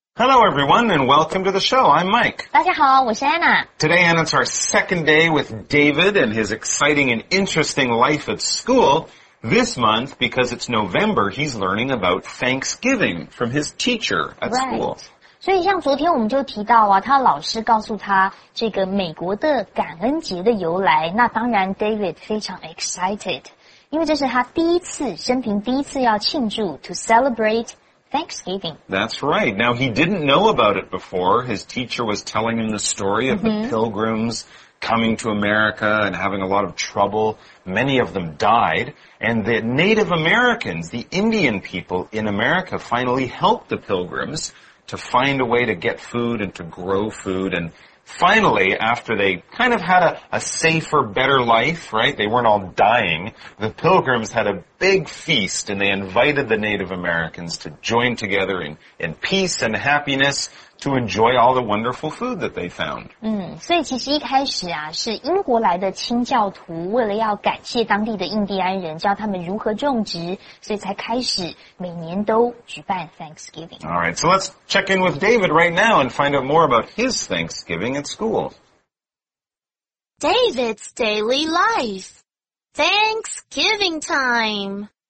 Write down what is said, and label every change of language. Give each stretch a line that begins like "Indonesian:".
English: Hello, everyone, and welcome to the show. I'm Mike.
Chinese: 大家好，我是 Anna.
English: Today, Anna's our second day with David and his exciting and interesting life at school. This month, because it's November, he's learning about Thanksgiving from his teacher at school. Right.
Chinese: 所以像昨天我们就提到啊，他老师告诉他这个美国的感恩节的由来，那当然 David 非常 excited, 因为这是他第一次，生平第一次要庆祝
English: to celebrateThanksgiving. That's right. Now, he didn't know about it before. His teacher was telling him the story of、mm-hmm. the pilgrims coming to America and having a lot of trouble. Many of them died. And the Native Americans, the Indian people in America, finally helped the pilgrims to find a way to get food and to grow food. And finally, after they kind of had a safer, better life, right? They weren't all dying. The pilgrims had a big feast, and they invited the Native Americans to join together in peace and happiness to enjoy all the wonderful food that they found.
Chinese: 嗯，所以其实一开始啊，是英国来的清教徒为了要感谢当地的印第安人，教他们如何种植，所以才开始每年都举办 Thanksgiving.
English: All right, so let's check in with David right now and find out more about his Thanksgiving at school. David's daily life. Thanksgiving time!